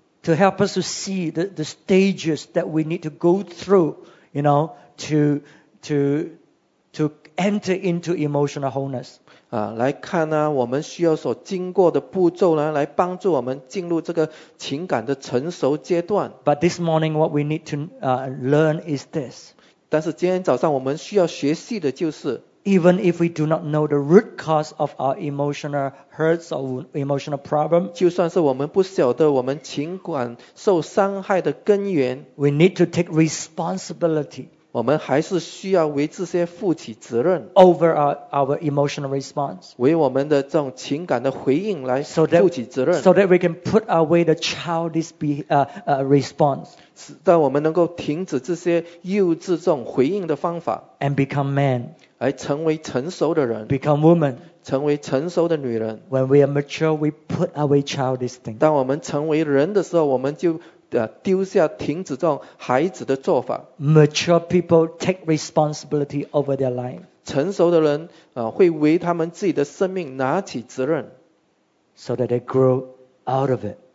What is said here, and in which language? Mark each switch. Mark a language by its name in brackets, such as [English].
[English] To help us to see the stages that we need to go through, you know, to enter into emotional wholeness. [Chinese] 来看呢，我们需要所经过的步骤呢，来帮助我们进入这个情感的成熟阶段。 [English] But this morning, what we need to learn is this. [Chinese] 但是今天早上我们需要学习的就是 [English] ，Even if we do not know the root cause of our emotional hurts or emotional problem, [Chinese] 就算是我们不晓得我们情感受伤害的根源 [English] ，We need to take responsibility. [Chinese] 我们还是需要为这些负起责任 [English] ，over our emotional response， [Chinese] 为我们的这种情感的回应来负起责任 [English] ，so that we can put away the childish response， [Chinese] 使到我们能够停止这些幼稚这种回应的方法 [English] ，and become man， [Chinese] 来成为成熟的人 [English] ，become woman， [Chinese] 成为成熟的女人。 [English] When we are mature, we put away childish things。 [Chinese] 当我们成为人的时候，我们就丢下停止这种孩子的做法。 [English] Mature people take responsibility over their life. [Chinese] 成熟的人会为他们自己的生命拿起责任。 [English] So that they grow out of it.